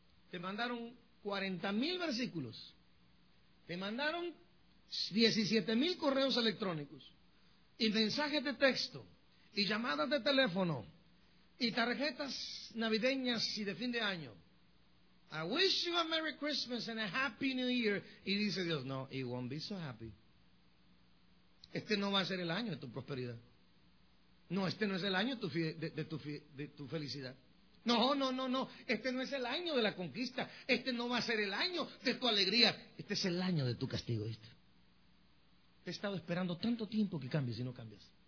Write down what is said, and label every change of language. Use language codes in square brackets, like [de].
[es] Te mandaron 40,000 versículos. Te mandaron 17,000 correos electrónicos. Y mensajes de texto, y llamadas de teléfono, y tarjetas navideñas y de fin de año. [en] I wish you a Merry Christmas and a Happy New Year. [es] Y dice Dios, no, [en] it won't be so happy. [es] Este no va a ser el año de tu prosperidad. No, este no es el año de tu felicidad. No. Este no es el año de la conquista. Este no va a ser el año de tu alegría. Este es el año de tu castigo, ¿viste? Te he estado esperando tanto tiempo que cambies y no cambias.